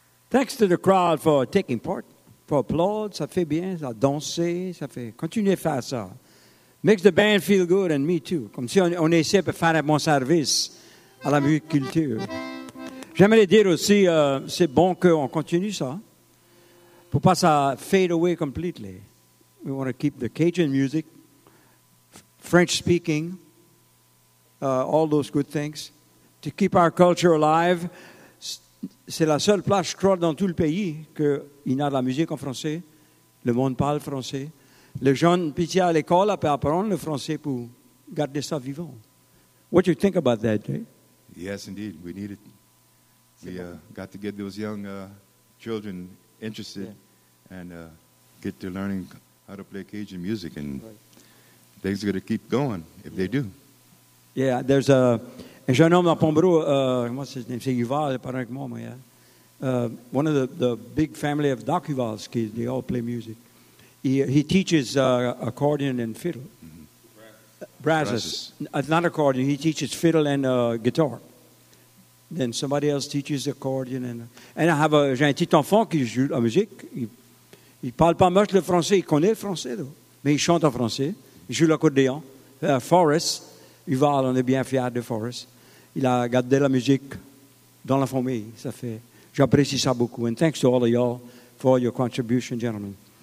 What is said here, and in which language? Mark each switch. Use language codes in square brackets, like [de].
[en] Thanks to the crowd for taking part, for applause. [fr] Ça fait bien, ça danse, ça fait. Continuez à faire ça. [en] Makes the band feel good and me too. [fr] Comme si on essaie de faire un bon service à la musique culture. J'aimerais dire aussi, c'est bon qu'on continue ça. Pour pas ça [en] fade away completely. We want to keep the Cajun music, French speaking, all those good things. To keep our culture alive, [fr] c'est la seule place, je crois, dans tout le pays qu'il y a de la musique en français. Le monde parle français. Les jeunes petits à l'école peuvent apprendre le français pour garder ça vivant. [en] What do you think about that, Jay? Yes, indeed. We need it. Got to get those young children interested and get to learning how to play Cajun music. And things are going to keep going if they do. Yeah, there's a... [fr] Un jeune homme à Pombro, comment c'est son nom? C'est Yuval, pareil avec moi, moi. [en] One of the big family of Doc Yuval's kids, they all play music. He teaches accordion and fiddle. Mm-hmm. Brasses. Not accordion, he teaches fiddle and guitar. Then somebody else teaches accordion. And I have [fr] j'ai un petit enfant qui joue la musique. Il parle pas mal le français, il connaît le français, [en] though. [fr] Mais il chante en français. Il joue l'accordéon. Forrest. Yuval, on est bien fiers de Forrest. Il a gardé la musique dans la famille. Ça fait, j'apprécie ça beaucoup. [en] And thanks to all of y'all for your contribution, gentlemen.